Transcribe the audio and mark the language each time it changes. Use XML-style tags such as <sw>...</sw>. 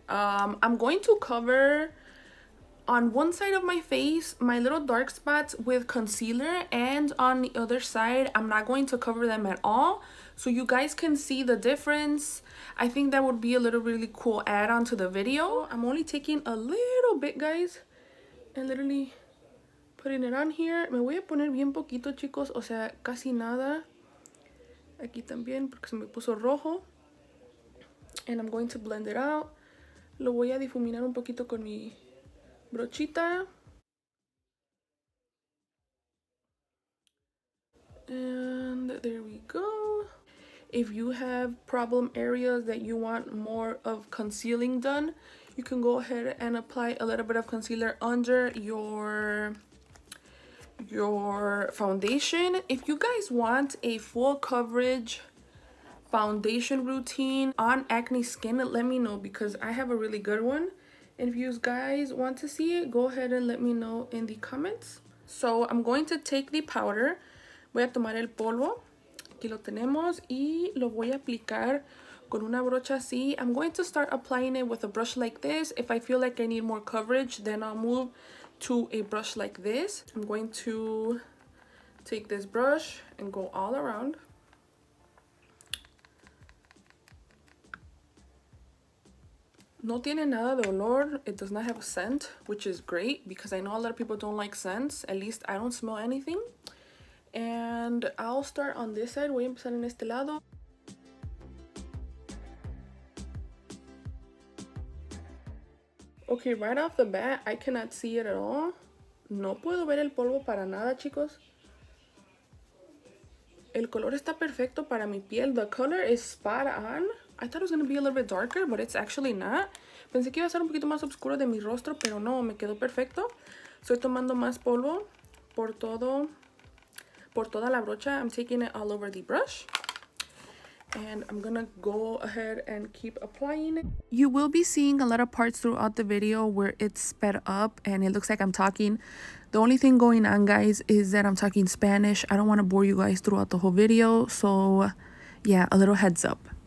<en>I'm going to cover on one side of my face my little dark spots with concealer, and on the other side I'm not going to cover them at all, so you guys can see the difference. I think that would be a little really cool add-on to the video. I'm only taking a little bit, guys, and literally putting it on here.</en> <es>Me voy a poner bien poquito, chicos, o sea casi nada. Aquí también, porque se me puso rojo.</es> <en>And I'm going to blend it out.</en> <es>Lo voy a difuminar un poquito con mi brochita.</es> <en>And there we go. If you have problem areas that you want more of concealing done, you can go ahead and apply a little bit of concealer under your foundation. If you guys want a full coverage foundation routine on acne skin, let me know, because I have a really good one. And if you guys want to see it, go ahead and let me know in the comments. So I'm going to take the powder.</en> <es>Voy a tomar el polvo. Aquí lo tenemos. Y lo voy a aplicar con una brocha así.</es> <en>I'm going to start applying it with a brush like this. If I feel like I need more coverage, then I'll move to a brush like this. I'm going to take this brush and go all around.</en> <es>No tiene nada de olor.</es> <en>It does not have a scent, which is great because I know a lot of people don't like scents. At least I don't smell anything. And I'll start on this side.</en> <es>Voy a empezar en este lado.</es> <en>Okay, right off the bat, I cannot see it at all.</en> <es>No puedo ver el polvo para nada, chicos. El color está perfecto para mi piel.</es> <en>The color is spot on. I thought it was going to be a little bit darker, but it's actually not.</en> <es>Pensé que iba a ser un poquito más oscuro de mi rostro, pero no, me quedó perfecto. Estoy tomando más polvo por toda la brocha.</es> <en>I'm taking it all over the brush. And I'm going to go ahead and keep applying it. You will be seeing a lot of parts throughout the video where it's sped up and it looks like I'm talking. The only thing going on, guys, is that I'm talking Spanish. I don't want to bore you guys throughout the whole video. So, yeah, a little heads up.</en>